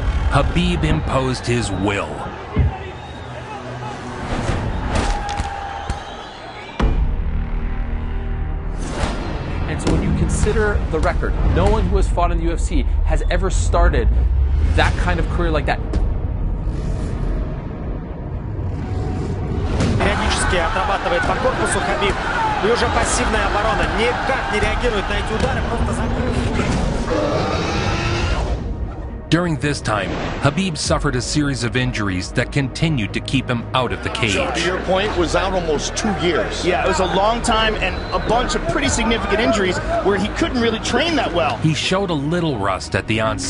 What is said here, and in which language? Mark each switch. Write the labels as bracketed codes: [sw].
[en] Khabib imposed his will. And so when you consider the record, no one who has fought in the UFC has ever started that kind of career like that. [ru] Периодически отрабатывает по корпусу Khabib. И уже пассивная оборона никак не реагирует на эти удары, просто закрыв. [en] During this time, Khabib suffered a series of injuries that continued to keep him out of the cage. So, to your point, was out almost 2 years. Yeah, it was a long time and a bunch of pretty significant injuries where he couldn't really train that well. He showed a little rust at the onset.